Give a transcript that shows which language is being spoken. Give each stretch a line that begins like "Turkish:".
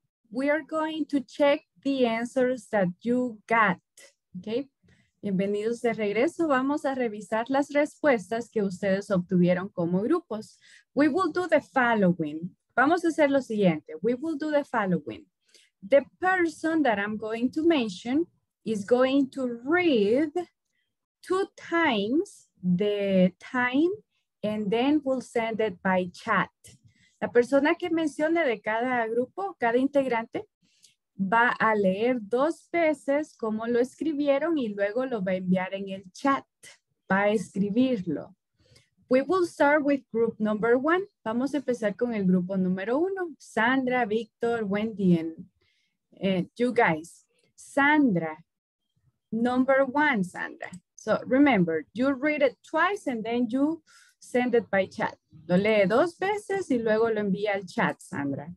English: We are going to check the answers that you got.
Spanish: Okay, bienvenidos de regreso. Vamos a revisar las respuestas que ustedes obtuvieron como grupos.
English: We will do the following.
Spanish: Vamos a hacer lo siguiente.
English: We will do the following. The person that I'm going to mention is going to read two times the time and then we'll send it by chat.
Spanish: La persona que mencione de cada grupo, cada integrante, va a leer dos veces cómo lo escribieron y luego lo va a enviar en el chat, va a escribirlo.
English: We will start with group number one.
Spanish: Vamos a empezar con el grupo número uno.
English: Sandra, Víctor, Wendy, and you guys. Sandra, number one, Sandra. So remember, you read it twice and then you send it by chat.
Spanish: Lo lee dos veces y luego lo envía al chat, Sandra.